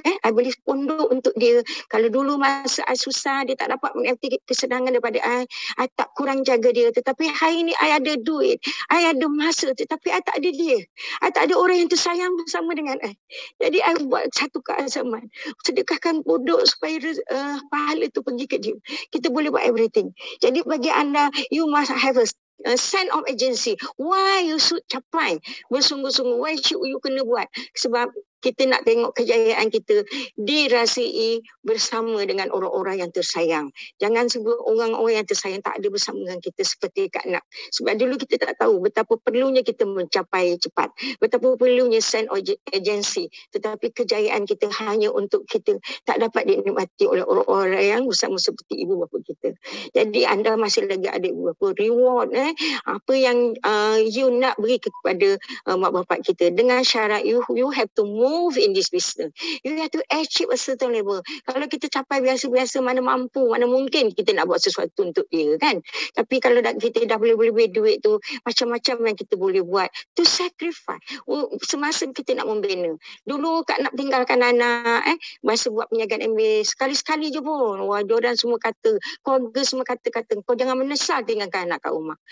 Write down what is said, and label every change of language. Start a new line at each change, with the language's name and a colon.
Malay: I beli pondok untuk dia. Kalau dulu masa I susah, dia tak dapat menikmati kesenangan daripada I, I tak kurang jaga dia. Tetapi hari ini I ada duit, I ada masa, tetapi I tak ada dia. I tak ada orang yang tersayang bersama dengan I. Jadi I buat satu keazaman, sedekahkan bodoh supaya pahala itu pergi ke dia. Kita boleh buat everything. Jadi bagi anda,
English: you must have a sense of urgency. Why you should
Malay: capai bersungguh-sungguh,
English: why should you
Malay: kena buat? Sebab kita nak tengok kejayaan kita dirasai bersama dengan orang-orang yang tersayang. Jangan sebut orang-orang yang tersayang tak ada bersama dengan kita seperti Kak Nak. Sebab dulu kita tak tahu betapa perlunya kita mencapai cepat. Betapa perlunya sense of urgency. Tetapi kejayaan kita hanya untuk kita, tak dapat dinikmati oleh orang-orang yang bersama seperti ibu bapa kita. Jadi anda masih lagi ada ibu bapa. Reward eh, apa yang you nak beri kepada mak bapa kita. Dengan syarat
English: you have to move in this business. You have to achieve a certain level.
Malay: Kalau kita capai biasa-biasa, mana mampu, mana mungkin kita nak buat sesuatu untuk dia kan. Tapi kalau kita dah boleh lebih duit tu, macam-macam yang kita boleh buat
English: to sacrifice.
Malay: Semasa kita nak membina. Dulu kak nak tinggalkan anak eh, masa buat penyagaan MBA, sekali-sekali je pun wajoran semua kata, keluarga semua kata-kata, kau jangan menyesal tinggalkan anak kat rumah.